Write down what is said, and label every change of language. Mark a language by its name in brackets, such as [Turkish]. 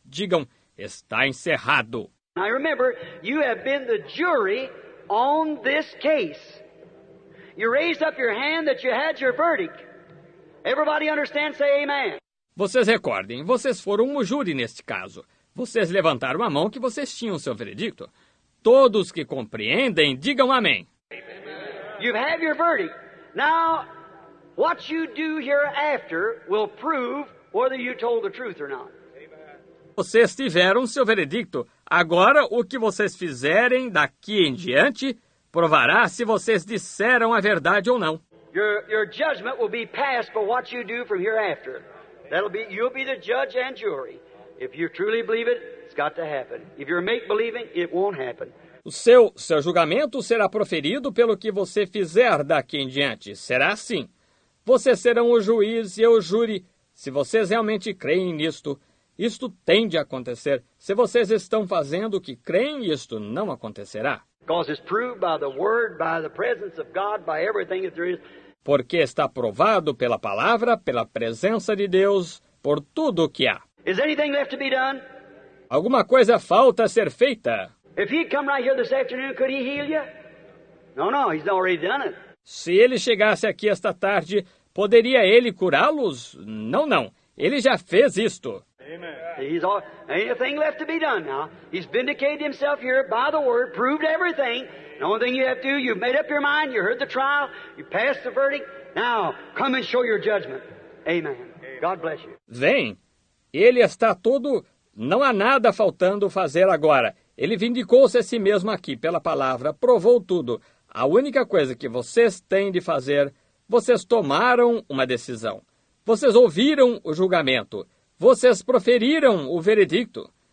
[Portuguese] Digam, está encerrado. [English] Now remember, you have been the jury on this case. You raised up your hand that you had your verdict. Everybody understand? Say amen. [Portuguese] Vocês recordem, vocês foram o júri neste caso. Vocês levantaram a mão que vocês tinham seu veredicto. Todos que compreendem, digam amém. [English] You have your verdict. Now, what you do hereafter will prove whether you told the truth or not. [Portuguese] Vocês tiveram seu veredicto. Agora, o que vocês fizerem daqui em diante provará se vocês disseram a verdade ou não. [English] Your judgment will be passed for what you do from hereafter. You'll be the judge and jury. If you truly believe it, it's got to happen. If you're make-believing, it won't happen. [Portuguese] O seu julgamento será proferido pelo que você fizer daqui em diante. Será assim. Vocês serão o juiz e eu o júri. Se vocês realmente creem nisto, isto tem de acontecer. Se vocês estão fazendo o que creem, isto não acontecerá. [English] Because it's proved by the word, by the presence of God, by everything that there is. [Portuguese] Porque está provado pela palavra, pela presença de Deus, por tudo o que há. [English] Is anything left to be done? [Portuguese] Alguma coisa falta a ser feita? [English] If he'd come right here this afternoon, could he heal you? No, he's already done it. [Portuguese] Se ele chegasse aqui esta tarde, poderia ele curá-los? Não, ele já fez isto. [English] Amen. He's all, anything left to be done now. He's vindicated himself here by the word, proved everything. The only thing you have to do, you've made up your mind, you heard the trial, you passed the verdict. Now, come and show your judgment. Amen. God bless you. [Portuguese] Vem. Ele está todo... Não há nada faltando fazer agora. Ele vindicou-se a si mesmo aqui pela palavra, provou tudo. A única coisa que vocês têm de fazer, vocês tomaram uma decisão. Vocês ouviram o julgamento. Vocês proferiram o veredicto.